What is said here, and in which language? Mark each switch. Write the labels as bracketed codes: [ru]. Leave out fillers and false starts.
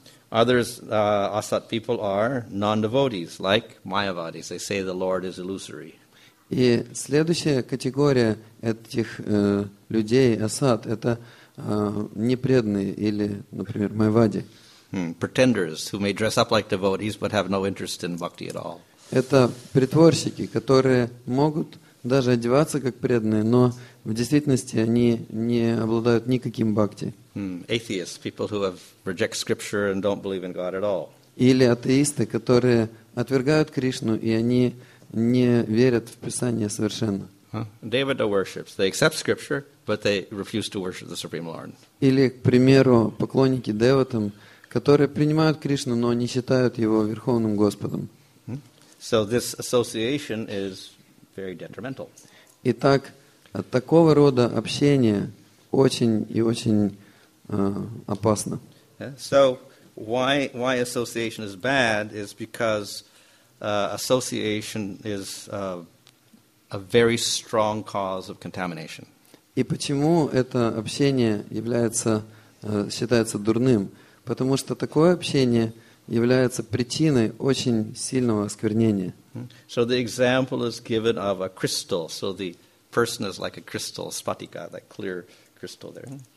[en] Others, asad people are non-devotees, like Mayavadis. They say the Lord is illusory. [ru] И следующая категория этих людей, асад, это непреданные или, например, майвади. [en] Pretenders, who may dress up like devotees, but have no interest in bhakti at all. [ru] Это притворщики, которые могут даже одеваться как преданные, но в действительности они не обладают никаким бхакти. [en] Atheists, people who have reject scripture and don't believe in God at all. [ru] Или атеисты, которые отвергают Кришну, и они не верят в Писание совершенно. [en] Devata worships. They accept scripture, but they refuse to worship the Supreme Lord. [ru] Или, к примеру, поклонники деватам, которые принимают Кришну, но не считают его верховным Господом. [en] So this association is very detrimental. [ru] Итак, такого рода общение очень и очень опасно. [en] So why association is bad is because association is a very strong cause of contamination. [ru] И почему это общение является считается дурным? Потому что такое общение является причиной очень сильного осквернения. [en] So the example is given of a crystal. So the person is like a crystal, spatika, that clear crystal there.